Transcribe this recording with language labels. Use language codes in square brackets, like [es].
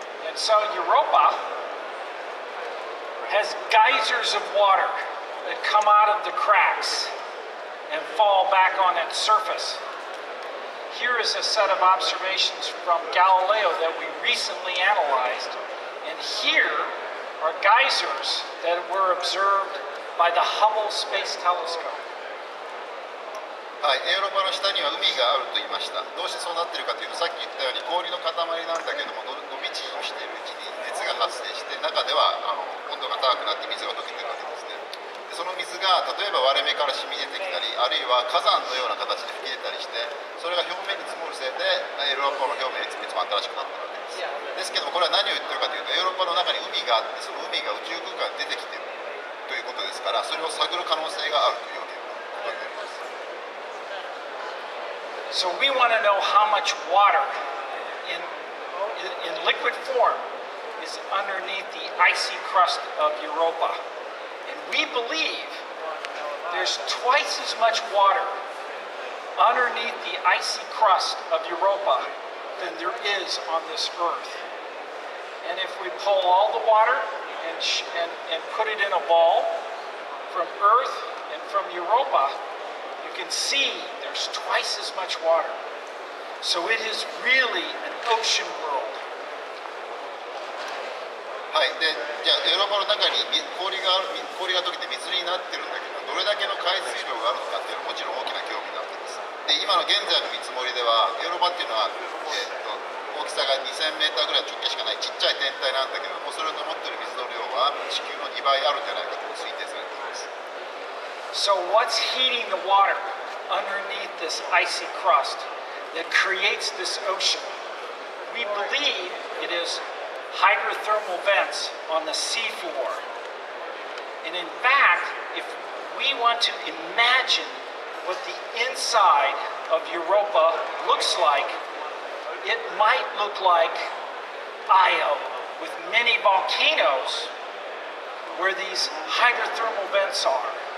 [en] And so Europa has geysers of water that come out of the cracks and fall back on its surface. here is a set of observations from Galileo that we recently analyzed, and here are geysers that were observed by the Hubble Space Telescope. [ja] はい、エウロパの下には海があると言いました。どうしてそうなっているかというと、さっき言ったように氷の塊なんだけども、伸び縮みしているうちに熱が発生して、中では温度が高くなって水が溶けているわけですね。でその水が例えば割れ目から染み出てきたり、あるいは火山のような形で吹き出たりして、それが表面に積もるせいでエウロパの表面にいつも新しくなっているわけです。ですけども、これは何を言っているかというと、エウロパの中に海があって、その海が宇宙空間に出てきているということですから、それを探る可能性があるというわけです。 [en] So we want to know how much water in liquid form is underneath the icy crust of Europa. And we believe there's twice as much water underneath the icy crust of Europa than there is on this Earth. And if we pull all the water and put it in a ball from Earth and from Europa, you can see there's twice as much water. So it is really an ocean world. [ja] はい、で、じゃあエウロパの中に氷が溶けて水になってるんだけど、どれだけの海水量があるのかっていうのはもちろん大きな興味になってます。で、今の現在の見積もりでは、エウロパっていうのは、大きさが2000メーターぐらい直径しかないちっちゃい天体なんだけど、それを持ってる水の量は地球の2倍あるんじゃないかと推定されています。 [en] So what's heating the water underneath this icy crust that creates this ocean? We believe it is hydrothermal vents on the seafloor. And in fact, if we want to imagine what the inside of Europa looks like, it might look like Io with many volcanoes where these hydrothermal vents are.